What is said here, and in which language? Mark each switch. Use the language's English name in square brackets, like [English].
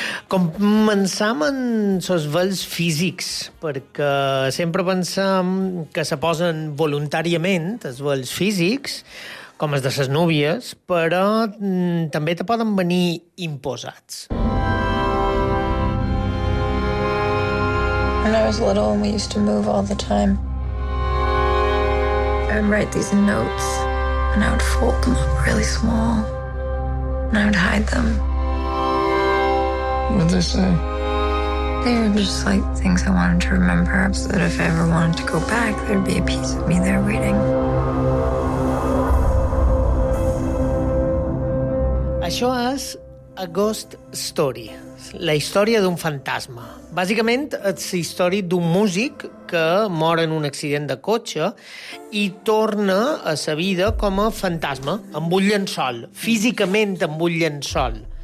[Catalan] Començam amb els vols físics, perquè sempre pensem que se posen voluntàriament els vols físics, com els de ses núvies, però també te poden venir imposats. [English] When I was little, we used to move all the time. I would write these notes, and I would fold them up really small, and I would hide them. What'd they say? They were just like things I wanted to remember, so that if I ever wanted to go back, there'd be a piece of me there waiting. [Catalan] Això és A Ghost Story, la història d'un fantasma. Bàsicament, és la història d'un músic que mor en un accident de cotxe i torna a sa vida com a fantasma, amb un llençol, físicament amb un llençol.